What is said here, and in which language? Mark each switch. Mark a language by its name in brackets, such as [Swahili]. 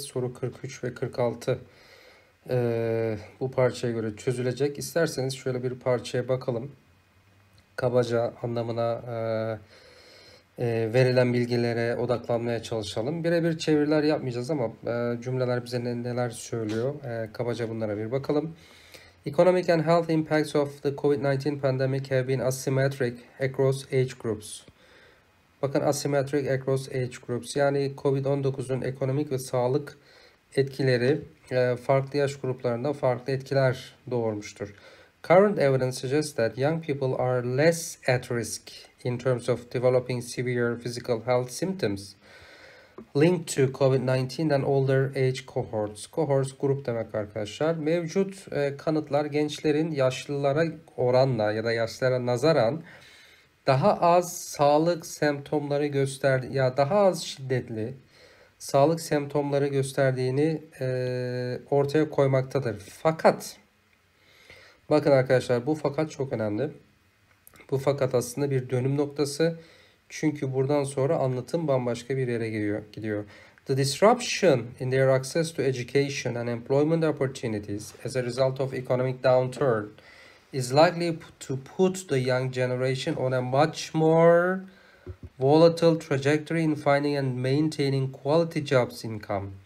[Turkish] Soru 43 ve 46 bu parçaya göre çözülecek. İsterseniz şöyle bir parçaya bakalım. Kabaca anlamına verilen bilgilere odaklanmaya çalışalım. Birebir çeviriler yapmayacağız ama cümleler bize neler söylüyor. Kabaca bunlara bir bakalım. [English] Economic and health impacts of the COVID-19 pandemic have been asymmetric across age groups. [Turkish] Bakın [English] asymmetric across age groups, [Turkish] yani COVID-19'un ekonomik ve sağlık etkileri farklı yaş gruplarında farklı etkiler doğurmuştur. [English] Current evidence suggests that young people are less at risk in terms of developing severe physical health symptoms linked to COVID-19 than older age cohorts. [Turkish] Cohorts grup demek arkadaşlar. Mevcut kanıtlar gençlerin yaşlılara oranla ya da yaşlara nazaran daha az sağlık semptomları gösterdi ya daha az şiddetli sağlık semptomları gösterdiğini ortaya koymaktadır. Fakat bakın arkadaşlar, bu fakat çok önemli. Bu fakat aslında bir dönüm noktası. Çünkü buradan sonra anlatım bambaşka bir yere gidiyor. [English] The disruption in their access to education and employment opportunities as a result of economic downturn is likely to put the young generation on a much more volatile trajectory in finding and maintaining quality jobs income.